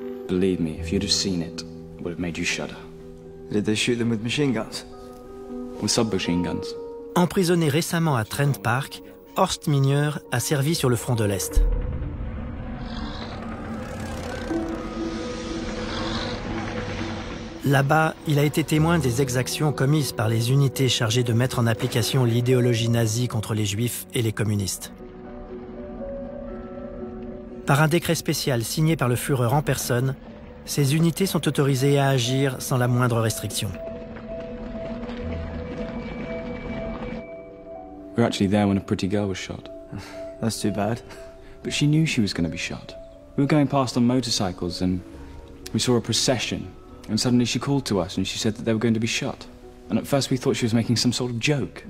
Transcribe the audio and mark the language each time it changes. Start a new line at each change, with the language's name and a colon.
English: Believe me, if you'd have seen it, would have made you shudder. Did they shoot them with machine guns? With submachine guns.
French: Emprisonné récemment à Trent Park, Horst Minier a servi sur le front de l'Est. Là-bas, il a été témoin des exactions commises par les unités chargées de mettre en application l'idéologie nazie contre les juifs et les communistes. Par un décret spécial signé par le Führer en personne, ces unités sont autorisées à agir sans la moindre restriction.
English: We were actually there when a pretty girl was shot. That's too bad. But she knew she was going to be shot. We were going past on motorcycles and we saw a procession. And suddenly she called to us and she said that they were going to be shot. And at first we thought she was making some sort of joke.